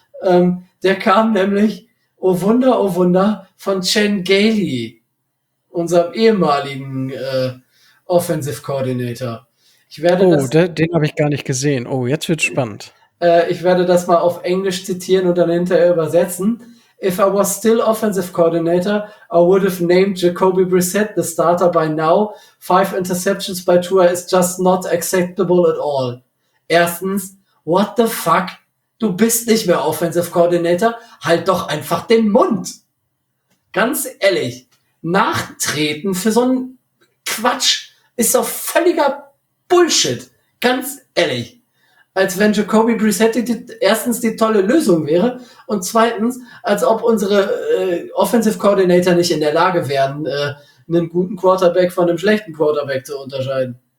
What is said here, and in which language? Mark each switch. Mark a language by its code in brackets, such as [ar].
[de] Der kam nämlich, oh Wunder, von Chen Gailey, unserem ehemaligen Offensive Coordinator. Den habe ich gar nicht gesehen. Oh, jetzt wird's spannend. Ich werde das mal auf Englisch zitieren und dann hinterher übersetzen. [en] If I was still offensive coordinator, I would have named Jacoby Brissett the starter by now. 5 interceptions by Tua is just not acceptable at all. Erstens, what the fuck? [de] Du bist nicht mehr offensive coordinator? Halt doch einfach den Mund! Ganz ehrlich, nachtreten für so einen Quatsch ist doch völliger Bullshit. Ganz ehrlich. Als wenn Jacoby Brissett erstens die tolle Lösung wäre und zweitens, als ob unsere Offensive Coordinator nicht in der Lage wären, einen guten Quarterback von einem schlechten Quarterback zu unterscheiden.